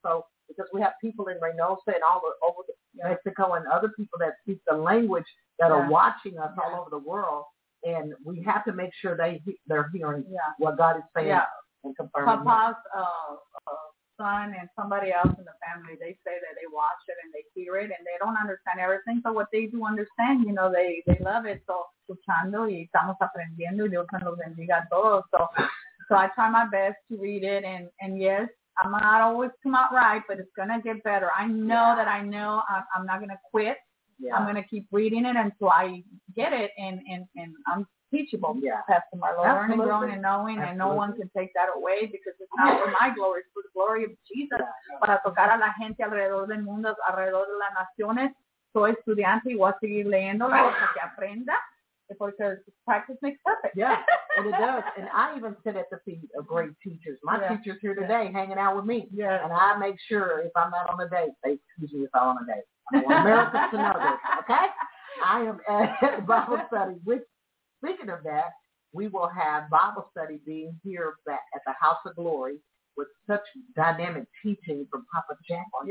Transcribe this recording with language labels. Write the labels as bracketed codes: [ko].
[en] So because we have people in Reynosa and all over Mexico and other people that speak the language that are watching us all over the world, and we have to make sure they're hearing what God is saying and confirming. Papa's son and somebody else in the family, they say that they watch it and they hear it and they don't understand everything. But what they do understand, you know, they love it. [es] So escuchando y estamos aprendiendo y Dios nos bendiga a todos. [en] So I try my best to read it. And yes, I'm not always come out right, but it's going to get better. I know that I know I'm not going to quit. Yeah. I'm going to keep reading it until I get it and I'm teachable. Yeah. Pastor Marlo, absolutely. Learning, growing, and knowing, absolutely. And no one can take that away because it's not for my glory, it's for the glory of Jesus. Yeah, yeah. [es] Para tocar a la gente alrededor del mundo, alrededor de las naciones. Soy estudiante y voy a seguir leyéndolo para que aprenda. [en] Because practice makes perfect. Yeah, and it does. And I even sit at the feet of great teachers. My teacher's here today hanging out with me. Yeah. And I make sure if I'm not on a date, they excuse me if I'm on a date. I want America to know this, okay? I am at Bible study. Speaking of that, we will have Bible study being here back at the House of Glory with such dynamic teaching from Papa Jack.